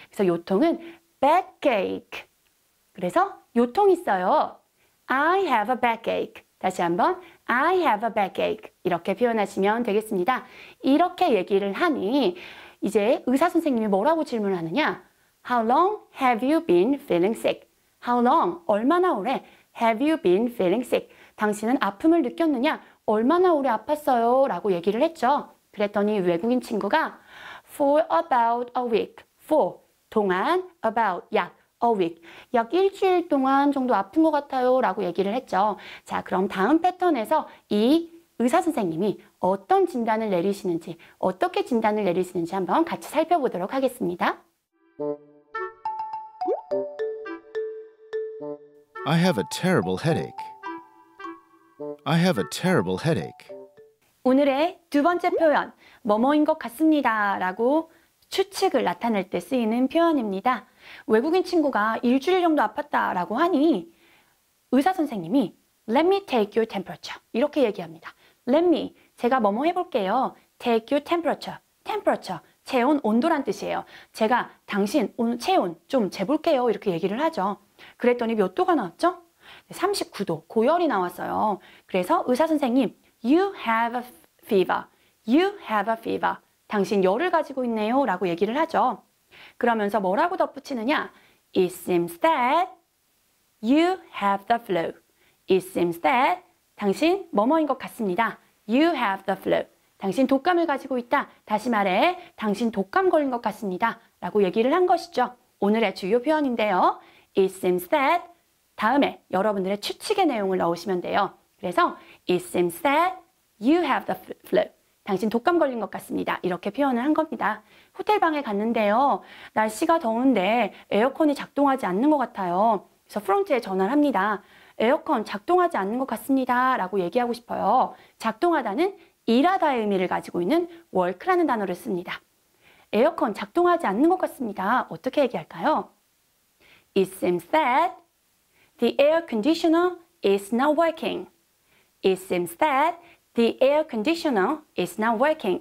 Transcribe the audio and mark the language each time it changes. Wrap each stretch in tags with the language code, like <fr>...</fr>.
<ko>그래서 요통은 backache. 그래서 요통 있어요.</ko> <en>I have a backache.</en> <ko>다시 한번</ko> <en>I have a backache</en> <ko>이렇게 표현하시면 되겠습니다. 이렇게 얘기를 하니 이제 의사 선생님이 뭐라고 질문하느냐?</ko> <en>How long have you been feeling sick? How long?</en> <ko>얼마나 오래?</ko> <en>Have you been feeling sick?</en> <ko>당신은 아픔을 느꼈느냐? 얼마나 오래 아팠어요? 라고 얘기를 했죠. 그랬더니 외국인 친구가</ko> <en>For about a week. For 동안 about 약 A week.</en> <ko>약 일주일 동안 정도 아픈 것 같아요 라고 얘기를 했죠. 자, 그럼 다음 패턴에서 이 의사 선생님이 어떤 진단을 내리시는지 어떻게 진단을 내리시는지 한번 같이 살펴보도록 하겠습니다.</ko> <en>I have a terrible headache. I have a terrible headache.</en> <ko>오늘의 두 번째 표현, 뭐뭐인 것 같습니다 라고 추측을 나타낼 때 쓰이는 표현입니다. 외국인 친구가 일주일 정도 아팠다라고 하니 의사 선생님이</ko> <en>Let me take your temperature</en> <ko>이렇게 얘기합니다.</ko> <en>Let me,</en> <ko>제가 뭐뭐 해볼게요.</ko> <en>Take your temperature,</en> <ko>temperature, 체온, 온도란 뜻이에요. 제가 당신 체온 좀 재볼게요 이렇게 얘기를 하죠. 그랬더니 몇 도가 나왔죠? 39도, 고열이 나왔어요. 그래서 의사 선생님,</ko> <en>You have a fever, you have a fever.</en> <ko>당신 열을 가지고 있네요 라고 얘기를 하죠. 그러면서 뭐라고 덧붙이느냐?</ko> <en>It seems that you have the flu. It seems that</en> <ko>당신 뭐뭐인 것 같습니다.</ko> <en>You have the flu.</en> <ko>당신 독감을 가지고 있다. 다시 말해 당신 독감 걸린 것 같습니다 라고 얘기를 한 것이죠. 오늘의 주요 표현인데요.</ko> <en>It seems that</en> <ko>다음에 여러분들의 추측의 내용을 넣으시면 돼요.</ko> <en>그래서 It seems that you have the flu.</en> <ko>당신 독감 걸린 것 같습니다. 이렇게 표현을 한 겁니다. 호텔방에 갔는데요. 날씨가 더운데 에어컨이 작동하지 않는 것 같아요. 그래서 프론트에 전화를 합니다. 에어컨 작동하지 않는 것 같습니다. 라고 얘기하고 싶어요. 작동하다는 일하다의 의미를 가지고 있는 work라는 단어를 씁니다. 에어컨 작동하지 않는 것 같습니다. 어떻게 얘기할까요?</ko> <en>It seems that the air conditioner is not working. It seems that the air conditioner is not working.</en>